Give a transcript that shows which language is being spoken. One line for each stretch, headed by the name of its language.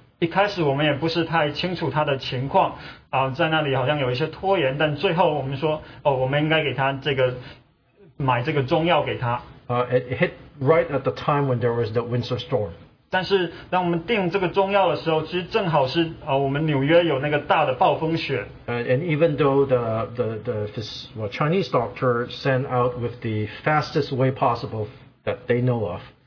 Chinese: 一开始我们也不是太清楚她的情况，在那里好像有一些拖延，但最后我们说，我们应该给她这个买这个中药给她。
English: It hit right at the time when there was the winter storm.
Chinese: 但是当我们订这个中药的时候，其实正好是我们纽约有那个大的暴风雪。
English: And even though the Chinese doctor sent out with the fastest way possible that they know of.